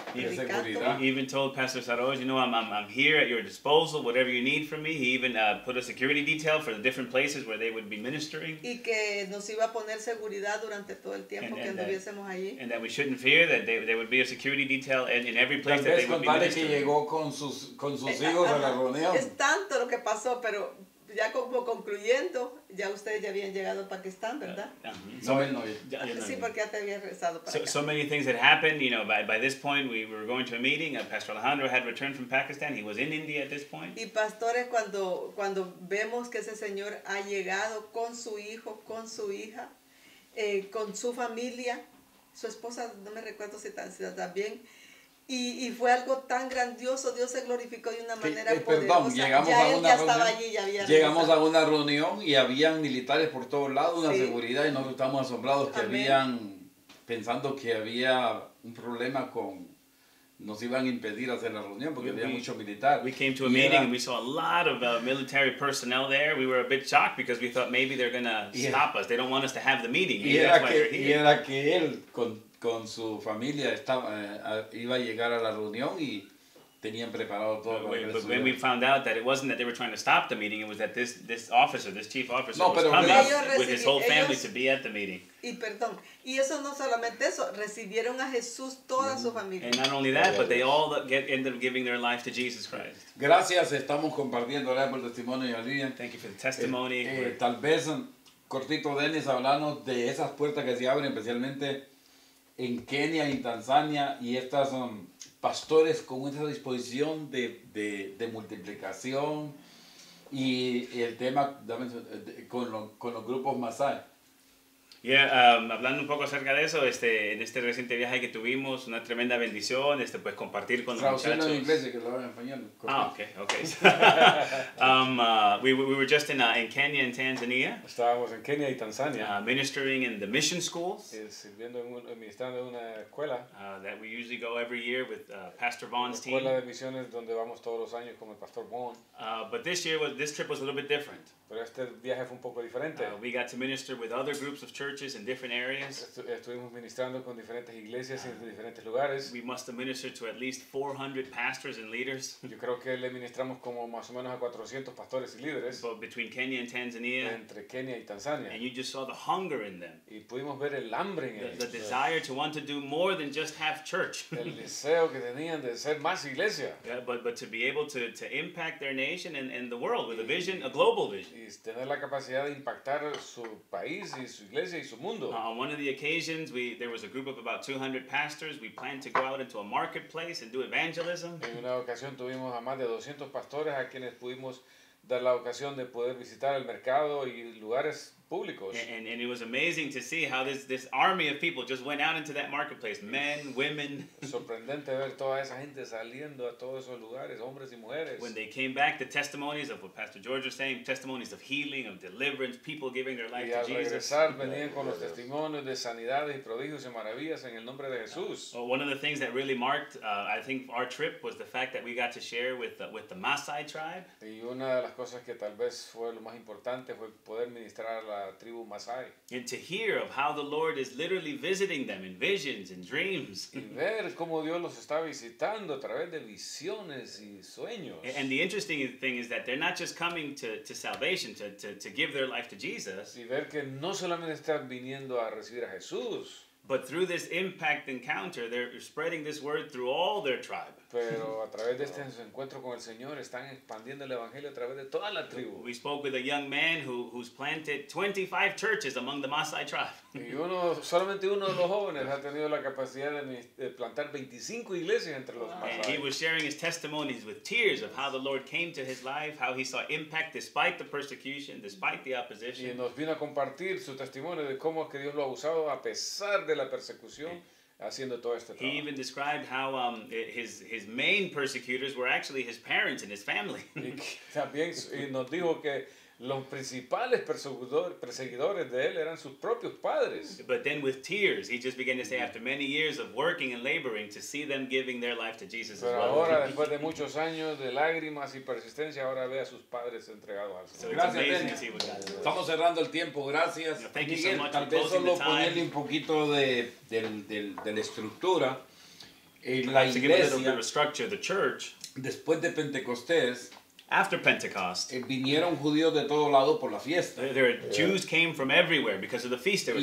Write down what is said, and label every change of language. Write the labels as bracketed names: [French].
[English] He even told Pastor Saros, you know, I'm here at your disposal, whatever you need from me. He even put a security detail for the different places where they would be ministering. [Spanish] Y que nos iba a poner seguridad durante todo el tiempo que anduviésemos allí. [English] And that we shouldn't fear, that there would be a security detail in every place that they would be ministering. [Spanish] Que llegó con sus hijos a la reunión. Es tanto lo que pasó, pero... Ya como concluyendo, ya ustedes ya habían llegado a Pakistán, ¿verdad? No. Sí, porque ya te había regresado para acá. [English] So many things had happened, you know, by this point we were going to a meeting. Pastor Alejandro had returned from Pakistan. He was in India at this point. [Spanish] Y pastores, cuando vemos que ese señor ha llegado con su hijo, con su hija, con su familia, su esposa, no me recuerdo si también... Y fue algo tan grandioso, Dios se glorificó de una manera poderosa. Llegamos ya a una ya reunión, estaba allí, ya había llegamos a una reunión y habían militares por todos lados, una seguridad, y nosotros estábamos asombrados que habían, pensando que había un problema con... Nos iban a impedir hacer la reunión porque había mucho militar. [English] We came to a meeting and we saw a lot of military personnel there. We were a bit shocked because we thought maybe they're going to stop us. They don't want us to have the meeting. [Spanish] Y era que él con su familia iba a llegar a la reunión tenían preparado todo. [English] But when we found out that it wasn't that they were trying to stop the meeting, it was that this officer, this chief officer, [Spanish] no, [English] was coming up with his whole family to be at the meeting. [Spanish] Y perdón, y eso no solamente eso, recibieron a Jesús toda su familia. [English] And not only that, but they all ended up giving their life to Jesus Christ. [Spanish] Gracias, estamos compartiendo el testimonio de Lilian. [English] Thank you for the testimony. [Spanish] Tal vez cortito Dennis hablando de esas puertas que se abren, especialmente en Kenia y Tanzania, y estas son pastores con esa disposición de multiplicación y el tema con los grupos Masai. Hablando un poco acerca de eso, en este reciente viaje que tuvimos, una tremenda bendición, pues compartir con los muchachos. Traducción en inglés, que lo hablan en español. [English] We were just in Kenya and Tanzania. [Spanish] Estábamos en Kenia y Tanzania. [English] Ministering in the mission schools. [Spanish] Sirviendo en ministrando en una escuela. [English] That we usually go every year with Pastor Vaughn's team. [Spanish] Escuela de misiones donde vamos todos los años con el Pastor Vaughn. [English] But this trip was a little bit different. [Spanish] Pero este viaje fue un poco diferente. [English] We got to minister with other groups of churches in different areas. [Spanish] Estuvimos ministrando con diferentes iglesias en diferentes lugares. [English] We must have ministered to at least 400 pastors and leaders. [Spanish] Yo creo que le ministramos como más o menos a 400 pastores y líderes. [English] But between Kenya and Tanzania. [Spanish] Entre Kenia y Tanzania. [English] And you just saw the hunger in them. [Spanish] Y pudimos ver el hambre en ellos. [English] The desire to want to do more than just have church. [Spanish] El deseo que tenían de ser más iglesia. [English] Yeah, but to be able to impact their nation and the world with a vision, a global vision. [Spanish] Y tener la capacidad de impactar su país y su iglesia y su mundo. [English] On one of the occasions, there was a group of about 200 pastors. We planned to go out into a marketplace and do evangelism. [Spanish] En una ocasión tuvimos a más de 200 pastores a quienes pudimos dar la ocasión de poder visitar el mercado y lugares públicos. [English] And it was amazing to see how this army of people just went out into that marketplace. Men, women. [Spanish] Sorprendente ver toda esa gente saliendo a todos esos lugares, hombres y mujeres. [English] When they came back, the testimonies of what Pastor George was saying, testimonies of healing, of deliverance, people giving their life to Jesus. [Spanish] Y al regresar, venían con los testimonios de sanidades y prodigios y maravillas en el nombre de Jesús. [English] Well, one of the things that really marked, I think, our trip was the fact that we got to share with the Maasai tribe. [Spanish] Y una de las cosas que tal vez fue lo más importante fue poder ministrar la tribu Masai. [English] And to hear of how the Lord is literally visiting them in visions and dreams. [Spanish] Y ver cómo Dios los está visitando a través de visiones y sueños. [English] And the interesting thing is that they're not just coming to salvation, to give their life to Jesus. [Spanish] Y ver que no solamente están viniendo a recibir a Jesús. [English] But through this impact encounter, they're spreading this word through all their tribe. [Spanish] Pero a través de este encuentro con el Señor, están expandiendo el evangelio a través de toda la tribu. [English] We spoke with a young man who's planted 25 churches among the Maasai tribe. [Spanish] Y uno, solamente uno de los jóvenes ha tenido la capacidad de plantar 25 iglesias entre los Maasai. [English] And he was sharing his testimonies with tears of how the Lord came to his life, how he saw impact despite the persecution, despite the opposition. [Spanish] Y nos vino a compartir su testimonio de cómo es que Dios lo ha usado a pesar de la persecución. Haciendo todo este trabajo. [English] He even described how his main persecutors were actually his parents and his family. [Spanish] También nos dijo que los principales perseguidores de él eran sus propios padres. [English] But then with tears, he just began to say, after many years of working and laboring, to see them giving their life to Jesus. [Spanish] Pero [English] as well. [Spanish] Ahora, después de muchos años de lágrimas y persistencia, ahora ve a sus padres entregados al Señor. So gracias. Estamos cerrando el tiempo. Gracias. [English] No, thank Miguel, you so much. [Spanish] Tal vez solo ponerle un poquito de la estructura en la iglesia. Después de Pentecostés. [English] After Pentecost, [Spanish] vinieron judíos de todo lado por la fiesta. [English] Their Jews came from everywhere because of the feast they were